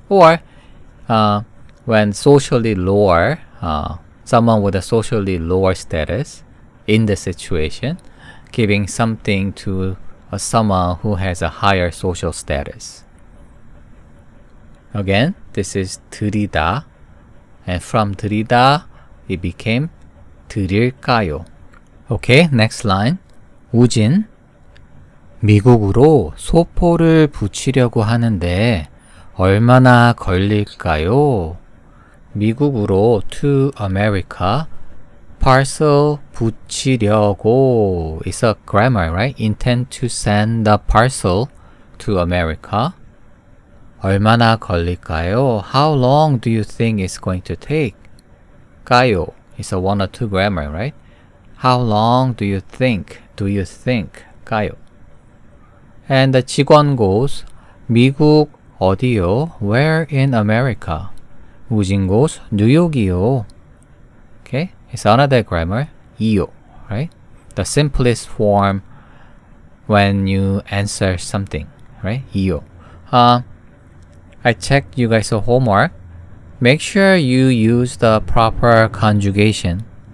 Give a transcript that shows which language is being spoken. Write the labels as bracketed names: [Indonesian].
[English] Or when socially lower, someone with a socially lower status in the situation, giving something to someone who has a higher social status. Again, this is 드리다, and from 드리다, it became 드릴까요? Okay, next line. [Korean] 우진, 미국으로 소포를 붙이려고 하는데 얼마나 걸릴까요? [English] 미국으로 to America, parcel 붙이려고 is a grammar, right? Intend to send the parcel to America. [Korean] 얼마나 걸릴까요? [English] How long do you think it's going to take? [Korean] 까요? [English] It's a one or two grammar, right? How long do you think? Do you think? 까요? And the 직원 goes, [Korean] 미국 어디요? [English] Where in America? 우진 goes, [Korean] 뉴욕이요. [English] Okay? It's another grammar, 이요, right? The simplest form when you answer something, right? [Korean] 이요. [English] I checked you guys' homework. Make sure you use the proper conjugation.